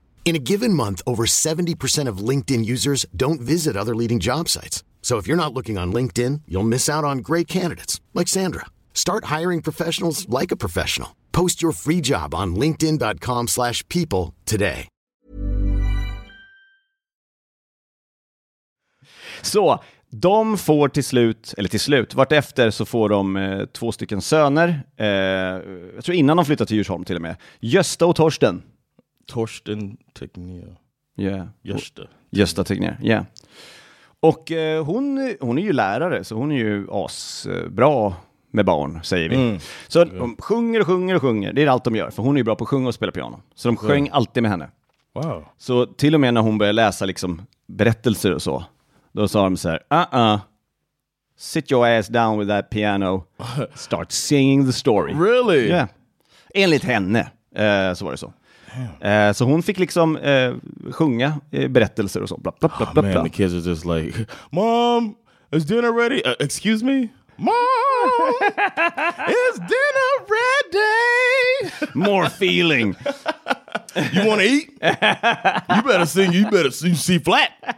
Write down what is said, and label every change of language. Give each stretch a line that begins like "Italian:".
English: In a given month, over 70% of LinkedIn users don't visit other leading job sites. So if you're not looking on LinkedIn, you'll miss out on great candidates, like Sandra. Start hiring professionals like a professional. Post your free job on linkedin.com/people today.
Swedish: Så, de får till slut, vart efter så får de två stycken söner. Jag tror innan de flyttar till Djursholm till och med. Gösta och Torsten. Torsten Tegner. Ja.
English: Yeah.
Swedish: Gösta Tegner, ja. Yeah. Och hon är ju lärare, så hon är ju asbra. Med barn, säger vi. Så de sjunger och sjunger och sjunger. Det är allt de gör. För hon är ju bra på att sjunga och spela piano. Så de sjöng alltid med henne.
English: Wow.
Swedish: Så till och med när hon började läsa liksom, berättelser och så. Då sa de så här.
English: Sit your ass down with that piano. Start singing the story. Really?
Swedish: Ja. Yeah. Enligt henne så var det så. Så hon fick liksom sjunga berättelser och så. Bla, bla, bla, bla, man, bla.
English: The kids are just like. Mom, is dinner ready? Excuse me? Mom, is dinner ready? More feeling. You want to eat? You better sing C flat.